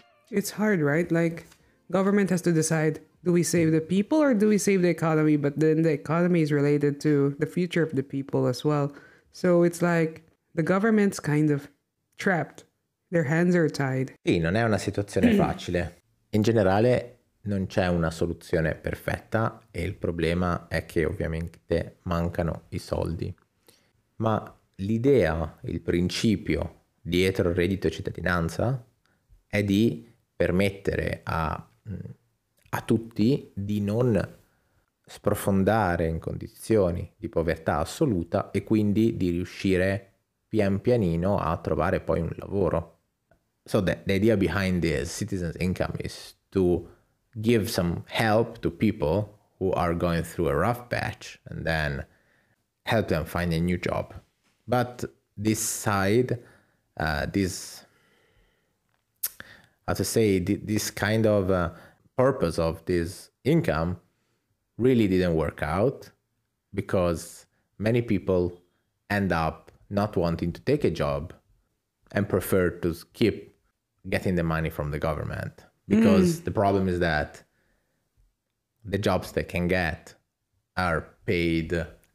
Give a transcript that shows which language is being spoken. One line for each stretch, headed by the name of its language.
English: It's hard, right? Like, government has to decide, do we save the people or do we save the economy? But then the economy is related to the future of the people as well. So it's like the government's kind of trapped. Their hands are tied.
Italian: Sì, non è una situazione facile. In generale non c'è una soluzione perfetta e il problema è che ovviamente mancano i soldi. Ma l'idea, il principio dietro il reddito cittadinanza è di permettere a tutti di non sprofondare in condizioni di povertà assoluta e quindi di riuscire pian pianino a trovare poi un lavoro.
English: So the idea behind this citizen's income is to give some help to people who are going through a rough patch and then help them find a new job. But this side, this kind of purpose of this income really didn't work out because many people end up not wanting to take a job and prefer to keep getting the money from the government because the problem is that the jobs they can get are paid